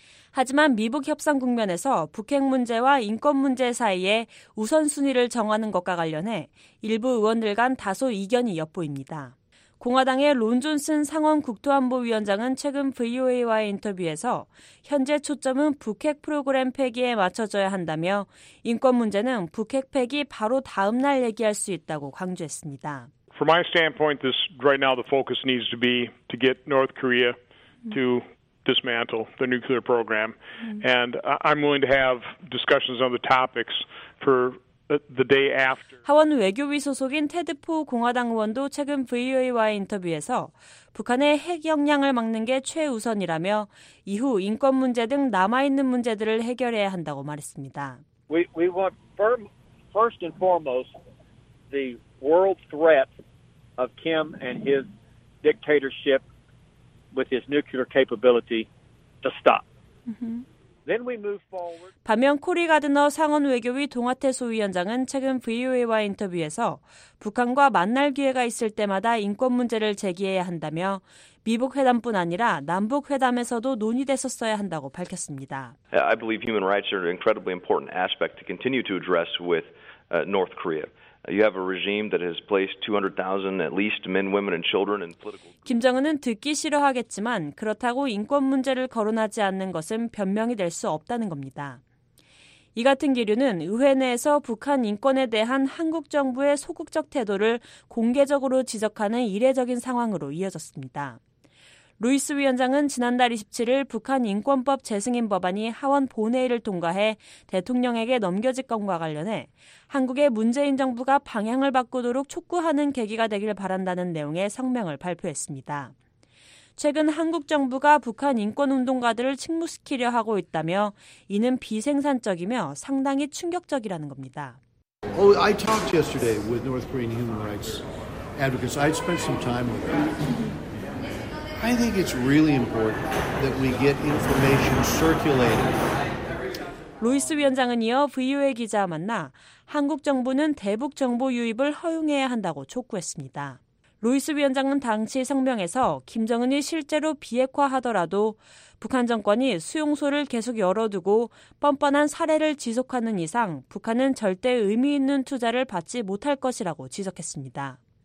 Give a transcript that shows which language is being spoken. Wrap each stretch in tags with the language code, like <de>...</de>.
<ko>하지만 미북 협상 국면에서 북핵 문제와 인권 문제 사이에 우선순위를 정하는 것과 관련해 일부 의원들 간 다소 이견이 엿보입니다. 공화당의 론 존슨 상원 국토안보위원장은 최근 VOA와의 인터뷰에서 현재 초점은 북핵 프로그램 폐기에 맞춰져야 한다며 인권 문제는 북핵 폐기 바로 다음 날 얘기할 수 있다고 강조했습니다.</ko> <en>From my standpoint, this right now the focus needs to be to get North Korea to dismantle the nuclear program, and I'm willing to have discussions on the topics for. The day after.</en> <ko>하원 외교위 소속인 테드 포 공화당 의원도 최근 VOA와의 인터뷰에서 북한의 핵 역량을 막는 게 최우선이라며 이후 인권 문제 등 남아있는 문제들을 해결해야 한다고 말했습니다.</ko> <en>We want first and foremost the world threat of Kim and his dictatorship with his nuclear capability to stop. Then we move forward.</en> <ko>반면 코리 가드너 상원 외교위 동아태 소위원장은 최근 VOA와 인터뷰에서 북한과 만날 기회가 있을 때마다 인권 문제를 제기해야 한다며 미북 회담뿐 아니라 남북 회담에서도 논의됐었어야 한다고 밝혔습니다.</ko> <en>I believe human rights are an incredibly important aspect to continue to address with North Korea. You have a regime that has placed 200,000 at least men, women, and children in political.</en> <ko>김정은은 듣기 싫어하겠지만 그렇다고 인권 문제를 거론하지 않는 것은 변명이 될 수 없다는 겁니다. 이 같은 기류는 의회 내에서 북한 인권에 대한 한국 정부의 소극적 태도를 공개적으로 지적하는 이례적인 상황으로 이어졌습니다. 루이스 위원장은 지난달 27일 북한 인권법 재승인 법안이 하원 본회의를 통과해 대통령에게 넘겨질 건과 관련해 한국의 문재인 정부가 방향을 바꾸도록 촉구하는 계기가 되길 바란다는 내용의 성명을 발표했습니다. 최근 한국 정부가 북한 인권운동가들을 침묵시키려 하고 있다며 이는 비생산적이며 상당히 충격적이라는 겁니다.</ko> <en>Oh, I talked yesterday with North Korean human rights advocates. I spent some time with them. I think it's really important that we get information circulated.</en> <ko>루이스 위원장은 이어 VOA 기자와 만나 한국 정부는 대북 정보 유입을 허용해야 한다고 촉구했습니다. 루이스 위원장은 당시 성명에서 김정은이 실제로 비핵화하더라도 북한 정권이 수용소를 계속 열어두고 뻔뻔한 사례를 지속하는 이상 북한은 절대 의미 있는 투자를 받지 못할 것이라고 지적했습니다.</ko>